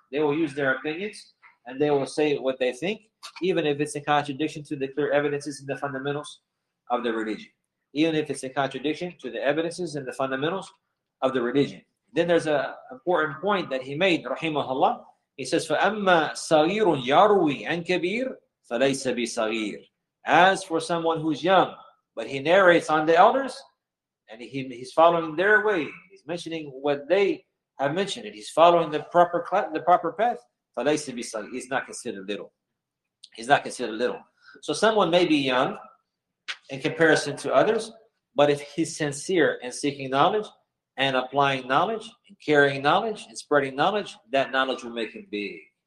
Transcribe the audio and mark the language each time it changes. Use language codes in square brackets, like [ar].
[en] They will use their opinions and they will say what they think, even if it's in contradiction to the clear evidences and the fundamentals of the religion. Even if it's in contradiction to the evidences and the fundamentals of the religion. Then there's an important point that he made, rahimahullah. He says, [ar] فَأَمَّا صَغِيرٌ يَرُوِي عَنْ كَبِيرٌ فَلَيْسَ بِصَغِيرٌ. [en] As for someone who's young, but he narrates on the elders, and he's following their way, he's mentioning what they have mentioned, and he's following the proper path, [ar] فَلَيْسَ بِصَغِيرٌ. [en] He's not considered little. He's not considered little. So someone may be young in comparison to others, but if he's sincere in seeking knowledge and applying knowledge and carrying knowledge and spreading knowledge, that knowledge will make him big.